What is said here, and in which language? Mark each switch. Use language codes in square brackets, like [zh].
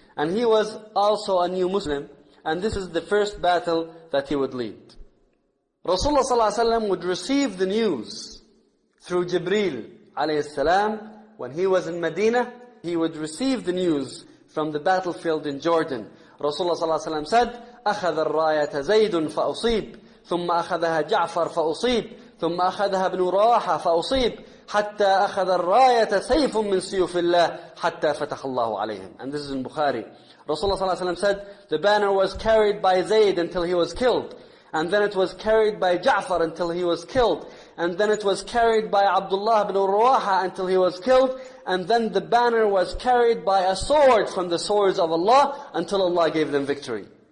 [en] And he was also a new Muslim. And this is the first battle that he would lead. Rasulullah ﷺ would receive the news through Jibreel alayhis salam. When he was in Medina, he would receive the news from the battlefield in Jordan. Rasulullah ﷺ said, [ar] أَخَذَ الرَّايَةَ زَيْدٌ فَأُصِيبٌ ثم أخذها جعفر فأصيب ثم أخذها ابن رواحة فأصيب حتى أخذ الراية سيف من سيوف الله حتى فتح الله عليهم. [en] And this is in Bukhari. Rasulullah صلى الله عليه وسلم said, the banner was carried by Zayd until he was killed. And then it was carried by Ja'far until he was killed. And then it was carried by Abdullah ibn Rawaha until he was killed. And then the banner was carried by a sword from the swords of Allah until Allah gave them victory.